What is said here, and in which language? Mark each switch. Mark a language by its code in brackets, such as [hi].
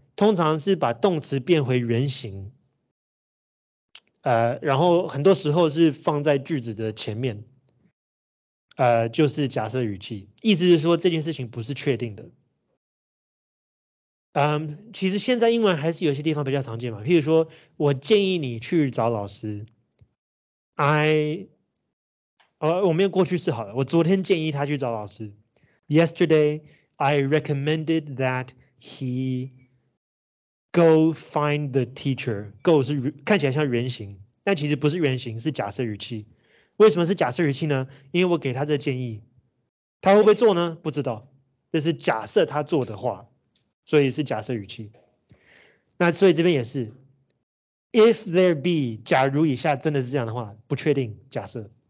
[zh] 通常是把动词变回原形，然后很多时候是放在句子的前面，就是假设语气，意思是说这件事情不是确定的。其实现在英文还是有些地方比较常见嘛，譬如说我建议你去找老师， 我们用过去式好了，我昨天建议他去找老师。 [en] Yesterday I recommended that he go find the teacher。 [zh] go 是看起来像原型，但其实不是原型，是假设语气。为什么是假设语气呢？因为我给他这建议，他会不会做呢？不知道，这是假设他做的话，所以是假设语气。那所以这边也是 [en] if there be， [zh] 假如以下真的是这样的话，不确定，假设。